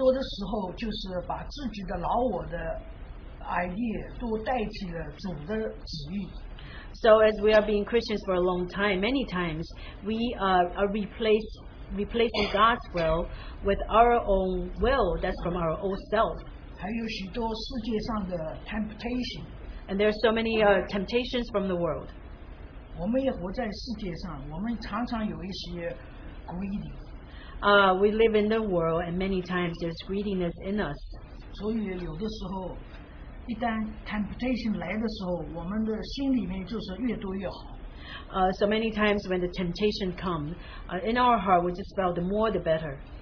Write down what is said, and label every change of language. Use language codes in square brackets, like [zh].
[zh] 但是我们做基督徒的时间一长，许多的时候就是把自己的老我的 idea 都代替了主的旨意。 [en] So as we are being Christians for a long time, many times we are replacing God's will with our own will that's from our old self. [zh] 还有许多世界上的 temptation. [en] And there are so many temptations from the world. [zh] 我们也活在世界上，我们常常有一些 greedy. [en] We live in the world, and many times there's greediness in us. [zh] 所以有的时候，一旦 temptation 来的时候，我们的心里面就是越多越好。 [en] So many times when the temptation comes, in our heart we just felt the more the better.